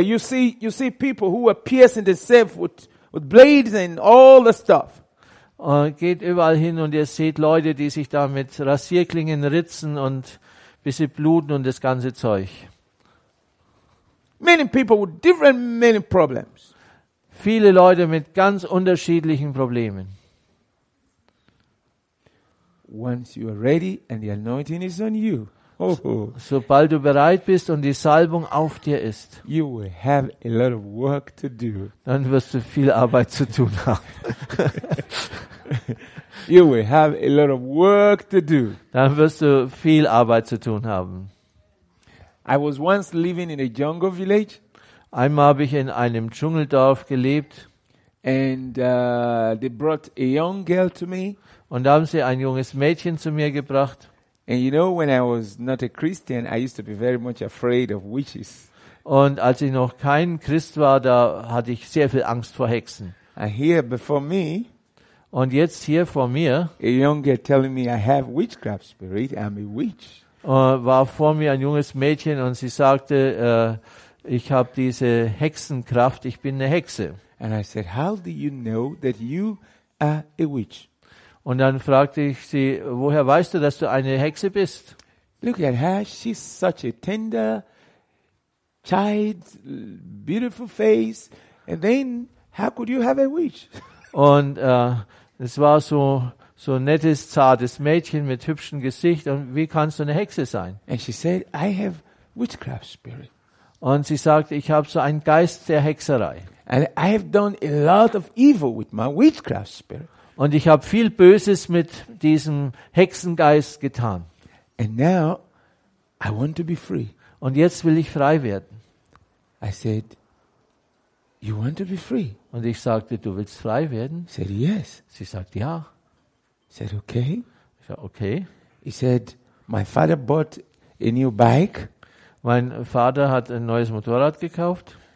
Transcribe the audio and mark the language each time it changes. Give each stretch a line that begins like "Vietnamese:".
English: You see people who are piercing themselves with blades and all the stuff.
German: Geht überall hin und ihr seht Leute, die sich da mit Rasierklingen ritzen und bis sie bluten und das ganze Zeug.
English: Many people with different many problems.
German: Viele Leute mit ganz unterschiedlichen Problemen.
English: Once you are ready and the anointing is on you.
German: Sobald du bereit bist und die Salbung auf dir ist,
English: you will have a lot of work to do.
German: Dann wirst du viel Arbeit zu tun haben.
English: You will have a lot of work to do.
German: Dann wirst du viel Arbeit zu tun haben.
English: I was once living in a jungle village.
German: Einmal habe ich in einem Dschungeldorf gelebt.
English: And they brought a young girl to me.
German: Und da haben sie ein junges Mädchen zu mir gebracht.
English: And you know, when I was not a Christian, I used to be very much afraid of witches.
German: Und als ich noch kein Christ war, da hatte ich sehr viel Angst vor Hexen.
English: And here before me.
German: Und jetzt hier vor mir.
English: A young girl telling me I have witchcraft spirit. I'm a witch.
German: War vor mir ein junges Mädchen und sie sagte, ich habe diese Hexenkraft, ich bin eine Hexe.
English: And I said, how do you know that you are a witch?
German: Und dann fragte ich sie, woher weißt du, dass du eine Hexe bist?
English: Look at her, she's such a tender child, beautiful face. And then, how could you have a witch?
German: Und es war so nettes, zartes Mädchen mit hübschem Gesicht. Und wie kannst du eine Hexe sein?
English: And she said, I have witchcraft spirit.
German: Und sie sagte, ich habe so einen Geist der Hexerei.
English: And I have done a lot of evil with my witchcraft spirit.
German: Und ich habe viel Böses mit diesem Hexengeist getan.
English: And now I want to be free.
German: Und jetzt will ich frei werden.
English: I said, you want to be free?
German: Und ich sagte, du willst frei werden?
English: She said, yes.
German: Sie sagt ja.
English: Said, okay.
German: Ich sag, okay.
English: He said, my father bought a new bike.
German: Mein Vater hat ein neues Motorrad gekauft.